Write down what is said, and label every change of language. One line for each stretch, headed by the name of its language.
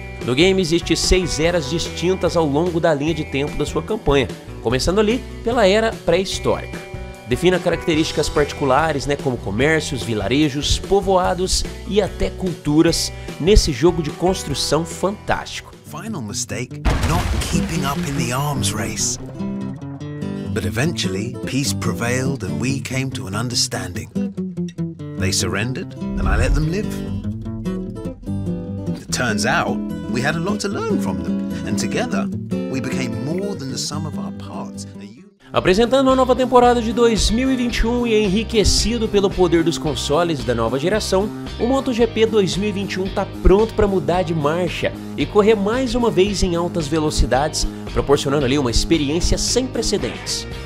Portuguese: No game existem 6 eras distintas ao longo da linha de tempo da sua campanha, começando ali pela era pré-histórica. Defina características particulares, né, como comércios, vilarejos, povoados e até culturas nesse jogo de construção fantástico.
English: Final mistake, not keeping up in the arms race. But eventually, peace prevailed and we came to an understanding. They surrendered and I let them live. It turns out, we had a lot to learn from them and together, we became more than the sum of our parts.
Portuguese: Apresentando a nova temporada de 2021 e enriquecido pelo poder dos consoles da nova geração, o MotoGP 2021 está pronto para mudar de marcha e correr mais uma vez em altas velocidades, proporcionando ali uma experiência sem precedentes.